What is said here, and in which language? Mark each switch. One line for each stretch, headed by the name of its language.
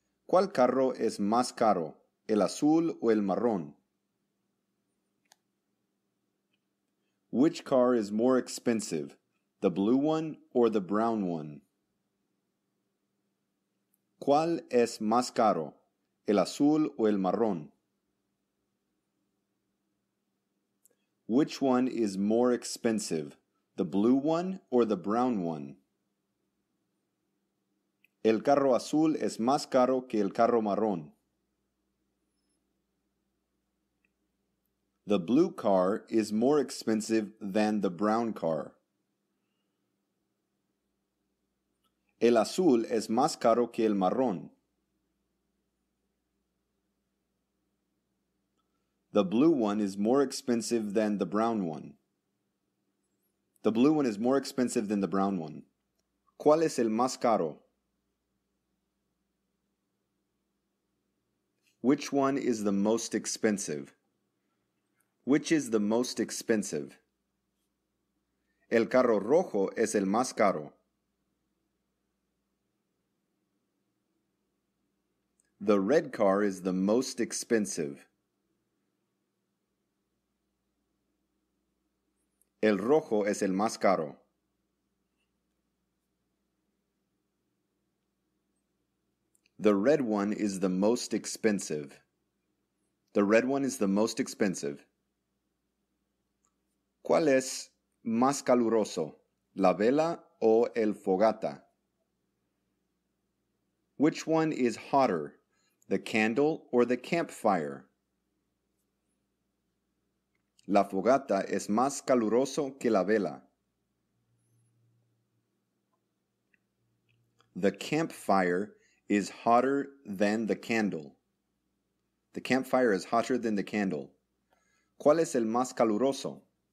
Spanish: ¿Cuál carro es más caro, el azul o el marrón?
English: Which car is more expensive, the blue one or the brown one?
Spanish: ¿Cuál es más caro, el azul o el marrón?
English: Which one is more expensive, the blue one or the brown one?
Spanish: El carro azul es más caro que el carro marrón.
English: The blue car is more expensive than the brown car.
Spanish: El azul es más caro que el marrón.
English: The blue one is more expensive than the brown one. The blue one is more expensive than the brown one.
Spanish: ¿Cuál es el más caro?
English: Which one is the most expensive? Which is the most expensive?
Spanish: El carro rojo es el más caro.
English: The red car is the most expensive.
Spanish: El rojo es el más caro.
English: The red one is the most expensive. The red one is the most expensive.
Spanish: ¿Cuál es más caluroso, la vela o el fogata?
English: Which one is hotter, the candle or the campfire?
Spanish: La fogata es más caluroso que la vela.
English: The campfire is hotter than the candle. The campfire is hotter than the candle.
Spanish: ¿Cuál es el más caluroso?